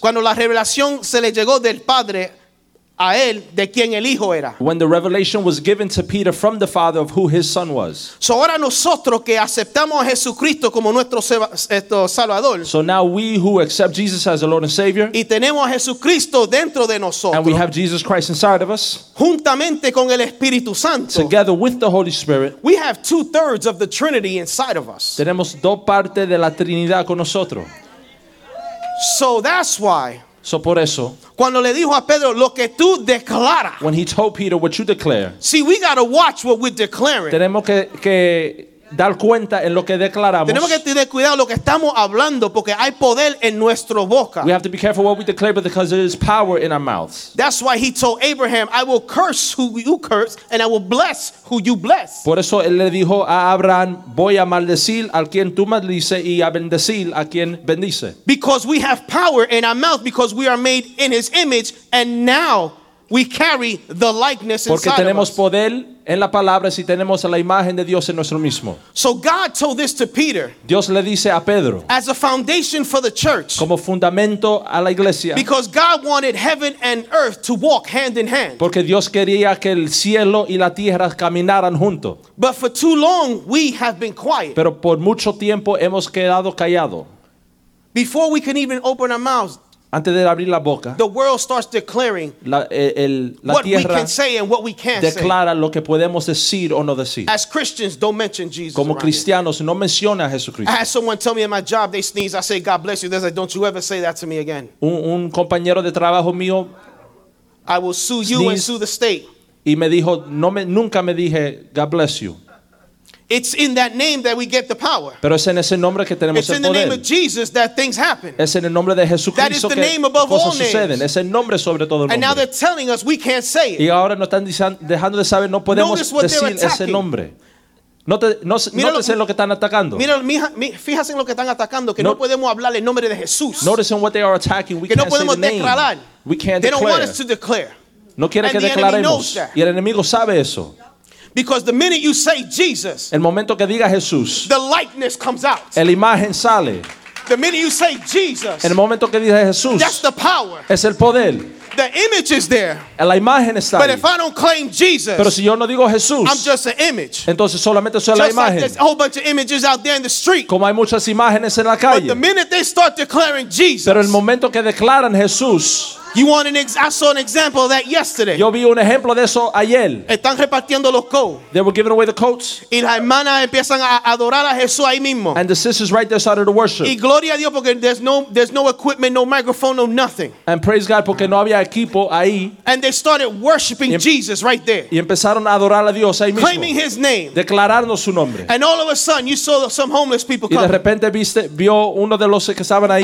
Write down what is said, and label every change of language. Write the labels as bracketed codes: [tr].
[es] Cuando la revelación se le llegó del Padre a él de quien el hijo era. [en] When the revelation was given to Peter from the Father of who his son was. [es] So ahora nosotros que aceptamos a Jesucristo como nuestro Salvador. [en] So now we who accept Jesus as the Lord and Savior. [es] Y tenemos a Jesucristo dentro de nosotros. [en] And we have Jesus Christ inside of us. [es] Juntamente con el Espíritu Santo. [en] Together with the Holy Spirit. We have 2/3 of the Trinity inside of us. [es] Tenemos dos partes de la Trinidad con nosotros. [en] So that's why. [es] So por eso, cuando le dijo a Pedro lo que tú declaras, [en] when he told Peter what you declare, see, we gotta watch what we're declaring. [es] Tenemos que dar cuenta en lo que declaramos. Tenemos que tener cuidado lo que estamos hablando porque hay poder en nuestra boca. [en] We have to be careful what we declare because there is power in our mouths. That's why he told Abraham, I will curse who you curse and I will bless who you bless. [es] Por eso él le dijo a Abraham, voy a maldecir al quien tú maldices y a bendecir a quien bendice. [en] Because we have power in our mouth because we are made in his image and now We carry the likeness inside. [es] Porque tenemos poder en la palabra si tenemos la imagen de Dios en nuestro mismo. [en] So God told this to Peter. [es] Dios le dice a Pedro. [en] As a foundation for the church. [es] Como fundamento a la iglesia. [en] Because God wanted heaven and earth to walk hand in hand. [es] Porque Dios quería que el cielo y la tierra caminaran juntos. [en] But for too long we have been quiet. [es] Pero por mucho tiempo hemos quedado callado. [en] Before we can even open our mouths. [es] Antes de abrir la boca, [en] the world starts declaring [es] la [en] what we can say and what we can't [es] declara [en] say. [es] Lo que podemos decir o no decir. [en] As Christians, don't mention Jesus. [es] Como cristianos, no menciona a Jesucristo. [en] I had someone tell me at my job, they sneeze. I say, God bless you. They're like, don't you ever say that to me again. [es] Un compañero de trabajo mío, [en] I will sue you and sue the state. [es] Y me dijo, nunca me dije, [en] God bless you. It's in that name that we get the power. [es] Pero es en ese nombre que tenemos [en] It's in the name of Jesus that things happen. [es] Es en el nombre de Jesucristo que cosas suceden. [en] That is the name above all names. [es] Es el nombre sobre todo el nombre. [en] And now they're telling us we can't say it. [es] Y ahora nos están dejando de saber no podemos decir ese nombre. Notice lo que están atacando. Fíjense lo que están atacando, que no podemos hablar el nombre de Jesús. [en] Notice what they are attacking. We can't say the name. We can't declare. They don't want us to declare. [es] No quieren que declaremos. Y el enemigo sabe eso. [en] Because the minute you say Jesus, [es] el momento que diga Jesús, [en] the likeness comes out. [es] El imagen sale. [en] The minute you say Jesus, [es] el momento que diga Jesús, [en] that's the power. [es] Es el poder. [en] The image is there. [es] La imagen está [en] but [es] ahí. [en] If I don't claim Jesus, [es] pero si yo no digo Jesús, [en] I'm just an image. [es] Entonces solamente soy [en] just [es] la imagen. [en] Like there's a whole bunch of images out there in the street. [es] Como hay muchas imágenes en la calle. [en] But the minute they start declaring Jesus, [es] pero el momento que declaran Jesús, [en] you want an I saw an example of that yesterday. [es] Yo vi un ejemplo de eso ayer. Están repartiendo los coats. [en] They were giving away the coats. [es] Y las hermanas empiezan a adorar a Jesús ahí mismo. [en] And the sisters right there started to worship. [es] Y gloria a Dios porque [en] there's no equipment, no microphone, no nothing. And praise God [es] porque no había equipo ahí. [en] And they started worshiping Jesus right there. [es] Y empezaron a adorar a Dios ahí mismo. [en] Claiming His name. [es] Declarando su nombre. [en] And all of a sudden, you saw some homeless people coming. [es] Y de repente vio uno de los que estaban ahí.